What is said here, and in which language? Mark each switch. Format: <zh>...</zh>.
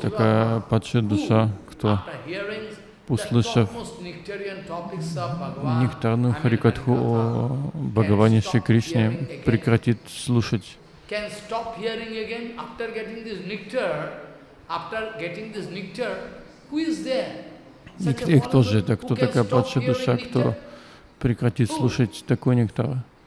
<ru>такая падшая душа, кто, услышав нектарную харикатху о Бхагаване Шри Кришне, прекратит слушать?</ru> <en>Can stop hearing again after getting this nectar, after getting this nectar, who is there?</en> <ru>И кто же это? Кто такая падшая душа, кто прекратит слушать такой нектар?</ru>